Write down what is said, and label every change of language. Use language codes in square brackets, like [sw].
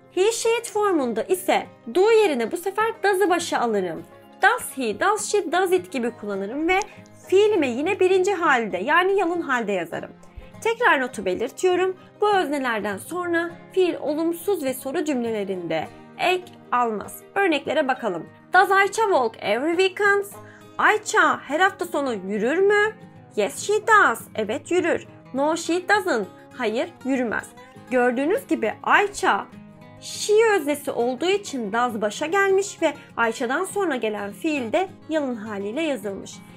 [tr] He, she, it formunda ise do yerine bu sefer does'ı başa alırım. [en] Does he, does she, does it [tr] gibi kullanırım ve fiilime yine birinci halde, yani yalın halde yazarım. Tekrar notu belirtiyorum. Bu öznelerden sonra fiil olumsuz ve soru cümlelerinde ek almaz. Örneklere bakalım. [en] Does Ayça walk every weekend? [tr] Ayça her hafta sonu yürür mü? [en] Yes she does. [tr] Evet yürür. [en] No she doesn't. [tr] Hayır yürümez. Gördüğünüz gibi Ayça she öznesi olduğu için does başa gelmiş ve Ayça'dan sonra gelen fiil de yalın haliyle yazılmış.